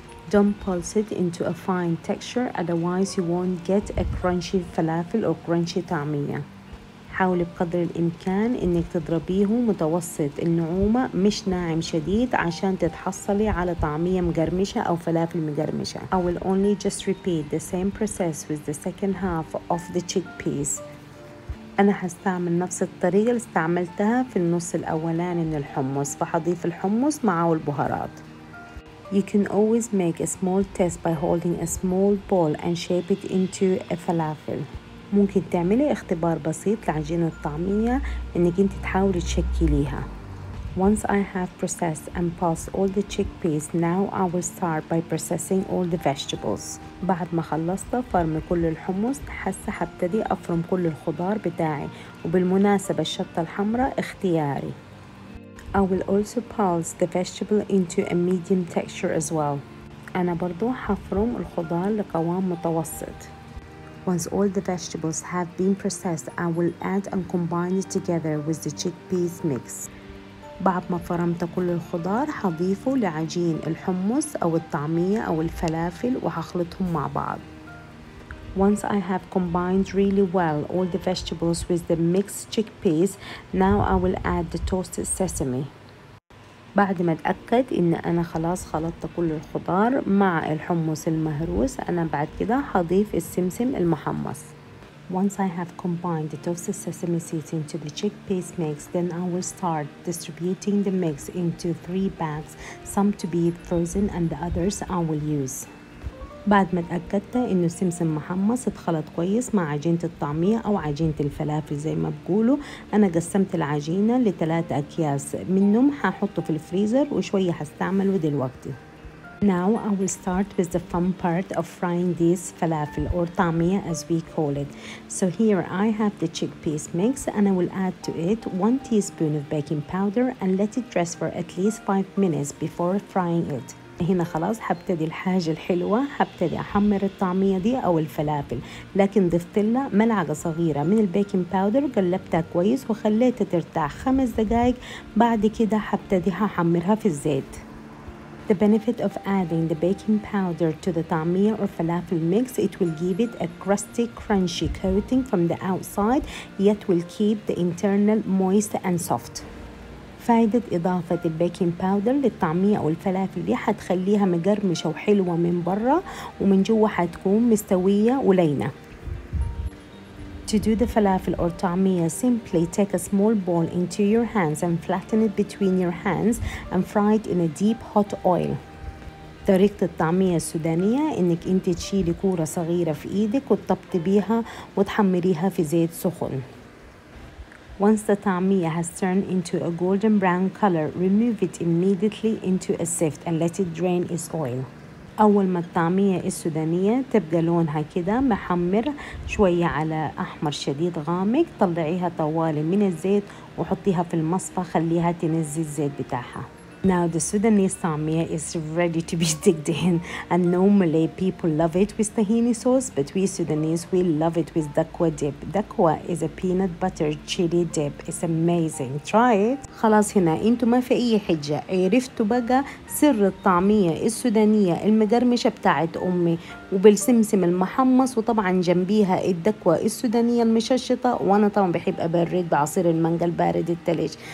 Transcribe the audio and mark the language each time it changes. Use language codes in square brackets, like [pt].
[en] Don't pulse it into a fine texture, otherwise you won't get a crunchy falafel or crunchy tamia. [ar] حاولي بقدر الإمكان إنك تضربيه متوسط النعومة مش ناعم شديد عشان تتحصلي على طعمية مقرمشة أو فلافل مقرمشة. [en] I will only just repeat the same process with the second half of the chickpeas. [ar] أنا هستعمل نفس الطريقة اللي استعملتها في النص الأولاني من الحمص فحضيف الحمص معه البهارات. [en] You can always make a small test by holding a small ball and shape it into a falafel. [ar] ممكن تعملي اختبار بسيط لعجينة الطعمية انك انت تحاولي تشكليها. [en] Once I have processed and pulsed all the chickpeas, now I will start by processing all the vegetables. [ar] بعد ما خلصت فرم كل الحمص حاسة هبتدي افرم كل الخضار بتاعي وبالمناسبة الشطة الحمراء اختياري. [en] I will also pulse the vegetable into a medium texture as well. [ar] أنا برضو حفرم الخضار لقوام متوسط. [en] Once all the vegetables have been processed, I will add and combine it together with the chickpeas mix. [ar] بعد ما فرمت كل الخضار هضيفه لعجين الحمص أو الطعمية أو الفلافل وهخلطهم مع بعض. [en] Once I have combined really well all the vegetables with the mixed chickpeas, now I will add the toasted sesame. [ar] بعد ما اتأكد ان انا خلاص خلطت كل الخضار مع الحمص المهروس انا بعد كده هضيف السمسم المحمص. [en] Once I have combined the toasted sesame seeds into the chickpeas mix, then I will start distributing the mix into 3 bags, some to be frozen and the others I will use. [ar] بعد ما اتأكدت انه السمسم محمص اتخلط كويس مع عجينة الطعمية او عجينة الفلافل زي ما بقولوا، انا قسمت العجينة لثلاث اكياس منهم هحطه في الفريزر وشوية هستعمله دلوقتي. [en] Now I will start with the fun part of frying this falafel or tamia as we call it. So here I have the chickpeas mix and I will add to it 1 teaspoon of baking powder and let it rest for at least 5 minutes before frying it. [ar] هنا خلاص هبتدي الحاجة الحلوة، هبتدي أحمر الطعمية دي أو الفلافل، لكن ضفت لها ملعقة صغيرة من البيكنج باودر، قلبتها كويس وخليتها ترتاح 5 دقايق، بعد كده هبتدي هحمرها في الزيت. [en] The benefit of adding the baking powder to the tamia or falafel mix, it will give it a crusty, crunchy coating from the outside, yet will keep the internal moist and soft. [ar] فايدة إضافة البيكنج باودر للطعمية أو الفلافل دي هتخليها مقرمشة وحلوة من برة ومن جوة هتكون مستوية ولينة. [en] To do the falafel or tamia, simply take a small ball into your hands and flatten it between your hands and fry it in a deep hot oil. [ar] طريقة الطعمية السودانية إنك أنت تشيلي كورة صغيرة في إيدك وتطبطي بيها وتحمريها في زيت سخن. [en] Once the tamia has turned into a golden brown color, remove it immediately into a sieve and let it drain its oil. [ar] أول ما التعمية السودانية تبقى لونها كده محمر شوية على أحمر شديد غامق، طلعيها طوالي من الزيت وحطيها في المصفى، خليها تنزل الزيت بتاعها. [en] Now the Sudanese tamia is ready to be digged in, and normally people love it with tahini sauce, but we Sudanese we love it with dakwa dip. Dakwa is a peanut butter chili dip. It's amazing. Try it. [ar] خلاص هنا انتوا ما في اي حجة، عرفتوا بقى سر الطعمية السودانية المقرمشة بتاعت امي وبالسمسم المحمص، وطبعا جنبيها الدكوة السودانية المششطة، وانا طبعا بحب ابرد بعصير المانجا البارد التلج.